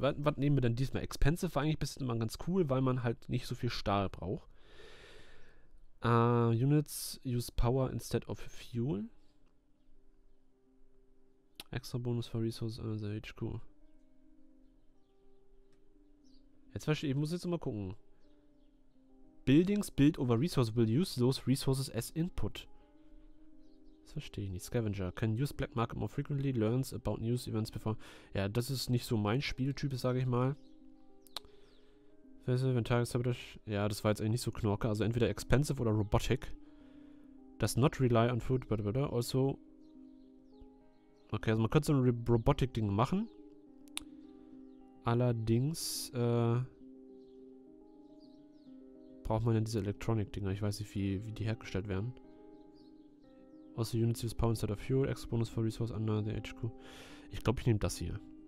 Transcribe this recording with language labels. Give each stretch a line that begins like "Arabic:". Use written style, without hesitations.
German: Was nehmen wir denn diesmal? Expensive war eigentlich ein bisschen immer ganz cool, weil man halt nicht so viel Stahl braucht.
English: Units use power instead of fuel. Extra Bonus for resources under the HQ.
German: Jetzt verstehe ich, muss jetzt mal gucken.
English: Buildings built over resources will use those resources as input.
German: Das verstehe ich nicht.
English: Scavenger. Can use black market more frequently. Learns about news events before.
German: Ja, das ist nicht so mein Spieltyp, sage ich mal. Ja, das war jetzt eigentlich nicht so knorke. Also entweder expensive oder robotic.
English: Does not rely on food, but also.
German: Okay, also man könnte so ein Robotic-Ding machen. Allerdings. Braucht man denn diese Electronic-Dinger? Ich weiß nicht, wie die hergestellt werden. Also
English: Units use power instead of fuel. Extra Bonus for resource under the HQ.
German: Ich glaube, ich nehme das hier.